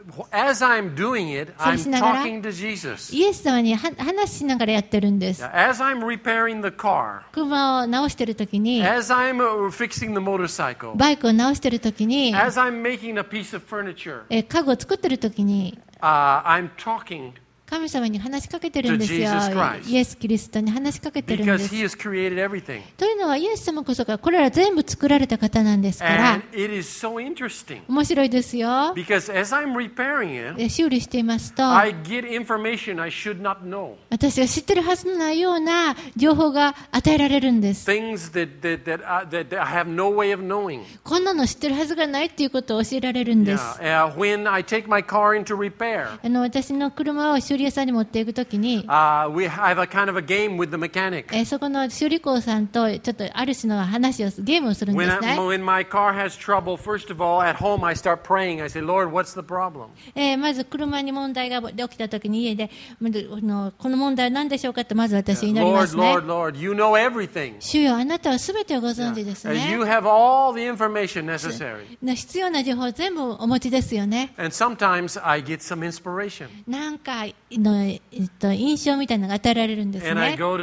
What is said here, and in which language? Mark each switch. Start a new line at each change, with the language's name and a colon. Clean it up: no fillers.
English: As I'm doing it, I'm talking to Jesus.
Japanese: イエス様に話しながらやってるんです。
English: As I'm repairing the car,
Japanese: 車を直してる時に、
English: As I'm fixing the motorcycle,
Japanese: バイクを直してる時に、
English: As I'm making a piece of furniture,
Japanese: 家具を作ってる時に、
English: I'm talking to
Japanese: 神様に話しかけてるんですよ。イエス・キリストに話しかけてるんです。というのはイエス様こそがこれら全部作られた方なんですから。面白いですよ。修理していますと、私が知ってるはずのないような情報が与えられるんです。こんなの知ってるはずがないっていうことを教えられるんです。私の車を修理修理屋さんに持っていくときに、
English: we have a kind of a game with the mechanic.
Japanese: そこの修理工さんとちょっとある種の話をゲームをするんですね。
English: When my car has trouble, first of all, at home I start praying. I say, Lord, what's the problem?
Japanese: まず車に問題が起きたときに家で、この問題は何でしょうかとまず私に祈りますね。
English: Lord, you know everything.
Japanese: 主よ、あなたはすべてをご存知ですね。
English: You have all the information necessary.
Japanese: 必要な情報全部お持ちですよね。
English: And sometimes I get some inspiration.
Japanese: なんかの印象みたいなのが与えられるんですね。